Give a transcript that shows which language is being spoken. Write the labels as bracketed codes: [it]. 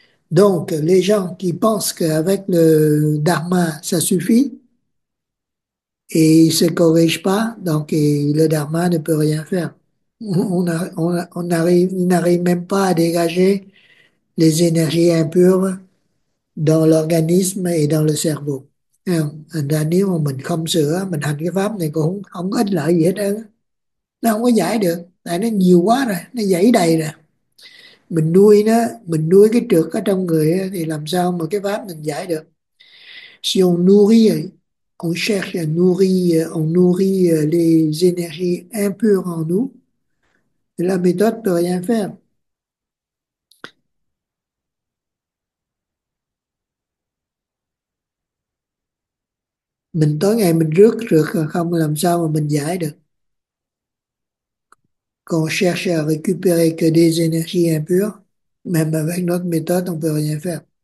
[fr] Donc, les gens qui pensent qu'avec le dharma, ça suffit, et ils ne se corrigent pas, donc le dharma ne peut rien faire. On n'arrive même pas à dégager les énergies impures dans l'organisme et dans le cerveau. [vi] Nếu mà mình không sửa, mình hành cái pháp này cũng không có ích lợi gì hết. Nó không có giải được, tại nó nhiều quá rồi, nó dãy đầy rồi. mình nuôi nó, mình nuôi cái trược ở trong người thì làm sao mà cái pháp mình giải được. [fr] Si on nourrit, on cherche à nourrir les énergies impures en nous, la méthode peut rien faire. [vi] Mình tối ngày mình rước rượt không làm sao mà mình giải được. Còn [fr] cherche à récupérer que des énergies impures, même avec notre méthode, on peut rien faire.